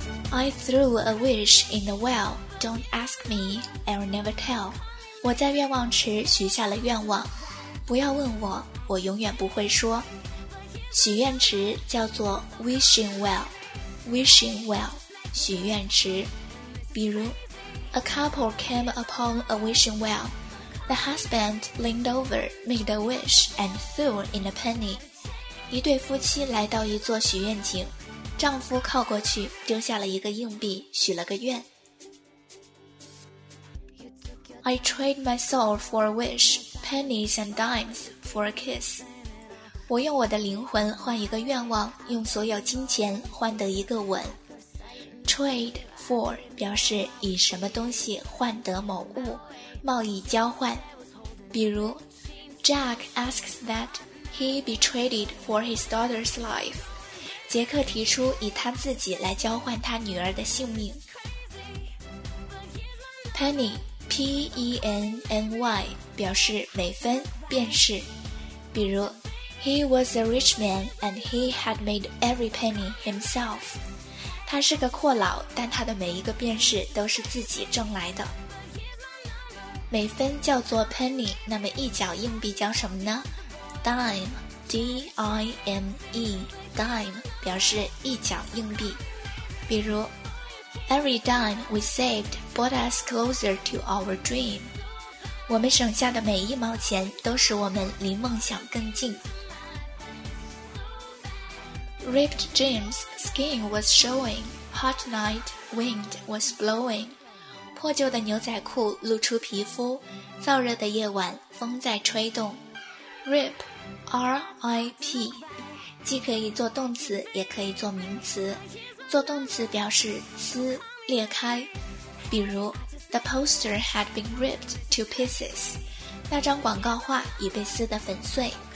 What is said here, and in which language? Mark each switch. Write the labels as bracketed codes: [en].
[en] I threw a wish in the well, don't ask me, I'll never tell. [zh] 我在愿望池许下了愿望，不要问我，我永远不会说。许愿池叫做 [en] wishing well, wishing well, [zh] 许愿池。比如 [en] A couple came upon a wishing well, The husband leaned over, made a wish, and threw in a penny. [zh] 一对夫妻来到一座许愿井，丈夫靠过去，丢下了一个硬币，许了个愿。 [en] I trade my soul for a wish, pennies and dimes for a kiss. [zh] 我用我的灵魂换一个愿望，用所有金钱换得一个吻。 Trade for 表示以什么东西换得某物，贸易交换。比如 [en] ,Jack asks that he be traded for his daughter's life. [zh] 杰克提出以他自己来交换他女儿的性命。 [en] Penny,P-E-N-N-Y [zh] 表示每分便是，比如 [en] He was a rich man and he had made every penny himself. [zh] 他是个阔佬，但他的每一个便是都是自己挣来的。每分叫做 penny， 那么一角硬币叫什么呢？ [en] Dime, D-I-M-E, dime [zh] 表示一角硬币，比如 [en] Every dime we saved brought us closer to our dream. [zh] 我们省下的每一毛钱都使我们离梦想更近。 [en] Ripped jeans, skin was showing, hot night, wind was blowing. [zh] 破旧的牛仔裤露出皮肤，燥热的夜晚风在吹动。 Rip, R-I-P, 既可以做动词也可以做名词。做动词表示撕、裂开，比如 [en] The poster had been ripped to pieces， [zh] 那张广告画已被撕得粉碎。